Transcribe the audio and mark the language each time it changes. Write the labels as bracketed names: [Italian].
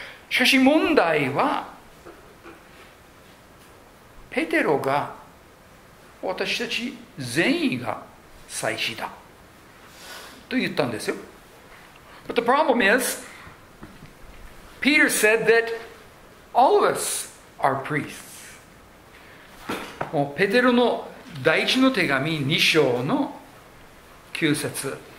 [Japanese] しかし問題はペテロが私たち全員が祭司だと言ったんですよ。 [English] But the problem is Peter said that all of us are priests. [Japanese] もうペテロの第一の手紙2章の9節